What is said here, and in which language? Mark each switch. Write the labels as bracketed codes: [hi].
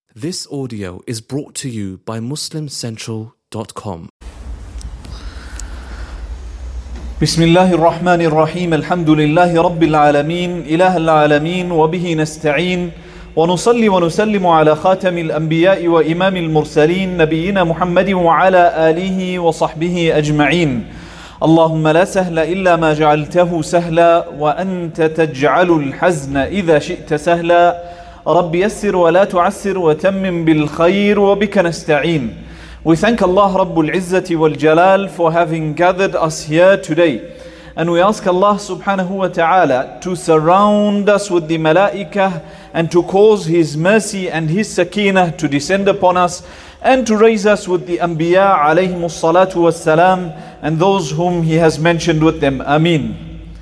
[en] This audio is brought to you by MuslimCentral.com. [ar] بسم الله الرحمن الرحيم الحمد لله رب العالمين إله العالمين وبه نستعين ونصلي ونسلم على خاتم الأنبياء وإمام المرسلين نبينا محمد وعلى آله وصحبه أجمعين اللهم لا سهل إلا ما جعلته سهلا وأنت تجعل الحزن إذا شئت سهلا رب يسر ولا تعسر وتمم بالخير وبك نستعين. [en] We thank Allah [ar] Rabbul Izzati wal Jalal [en] for having gathered us here today. And we ask Allah [ar] subhanahu wa ta'ala [en] to surround us with the malaikah and to cause His mercy and His sakinah to descend upon us and to raise us with the anbiya [ar] alayhim salatu wa salam [en] and those whom He has mentioned with them. Ameen.